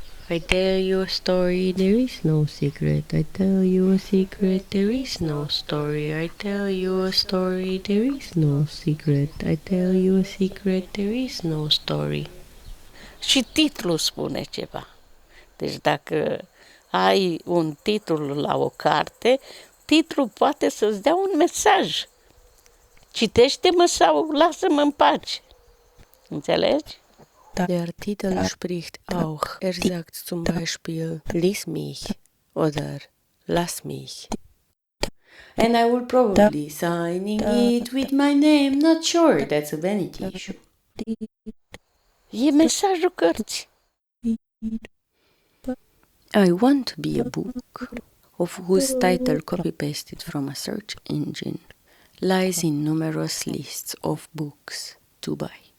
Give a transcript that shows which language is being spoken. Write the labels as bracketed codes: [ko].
[en] I tell you a story, there is no secret. I tell you a secret, there is no story. I tell you a story, there is no secret. I tell you a secret, there is no story. [ro] Și titlul spune ceva. Deci dacă ai un titlu la o carte, titlul poate să-ți dea un mesaj. Citește-mă sau lasă-mă în pace. Înțelegi? [de] Der Titel spricht auch. Er sagt zum Beispiel, lies mich oder lass mich. [en] And I will probably sign it with my name. Not sure, that's a vanity issue. [ro] E mesajul cărții. [en] I want to be a book. of whose title copy-pasted from a search engine, lies in numerous lists of books to buy.